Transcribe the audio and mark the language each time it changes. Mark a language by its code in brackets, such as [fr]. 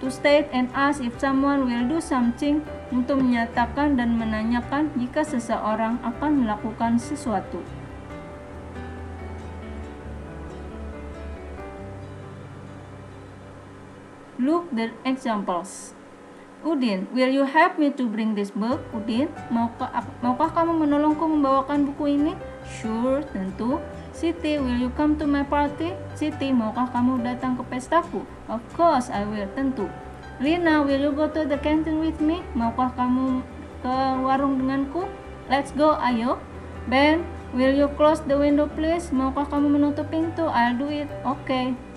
[en] To state and ask if someone will do something. [id] Untuk menyatakan dan menanyakan jika seseorang akan melakukan sesuatu. [en] Look the examples. Udin, will you help me to bring this book? [id] Udin, maukah kamu menolongku membawakan buku ini? [en] Sure, [id] tentu. [en] Siti, will you come to my party? [id] Siti, maukah kamu datang ke pestaku? [en] Of course, I will, [id] tentu. [en] Lina, will you go to the canteen with me? [id] Maukah kamu ke warung denganku? [en] Let's go, [id] ayo. [en] Ben, will you close the window please? [id] Maukah kamu menutup pintu? [en] I'll do it, okay.